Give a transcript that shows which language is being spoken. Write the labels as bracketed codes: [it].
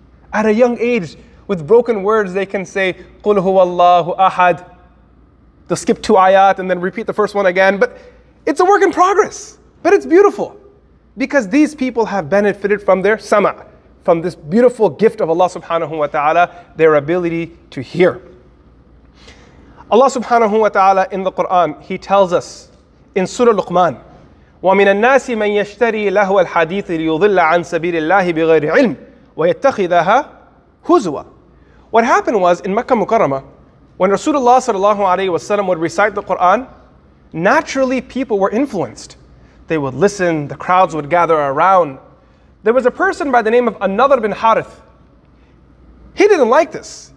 [en] At a young age, with broken words, they can say, [ar] قُلْ هُوَ اللَّهُ أَحَدٍ. [en] They'll skip two ayat and then repeat the first one again. But it's a work in progress. But it's beautiful. Because these people have benefited from their sama, from this beautiful gift of Allah subhanahu wa ta'ala, their ability to hear. Allah subhanahu wa ta'ala in the Quran, He tells us in Surah Luqman, [ar] وَمِنَ النَّاسِ مَنْ يَشْتَرِي لَهُوَ الْحَدِيثِ لِيُضِلَّ عَنْ سَبِيلِ اللَّهِ بِغَيْرِ عِلْمٍ وَيَتَّخِذَهَا هُزُوَى. [en] What happened was, in Makkah Mukarramah, when Rasulullah sallallahu alayhi wa sallam would recite the Quran, naturally people were influenced. They would listen, the crowds would gather around. There was a person by the name of Anadr bin Harith. He didn't like this.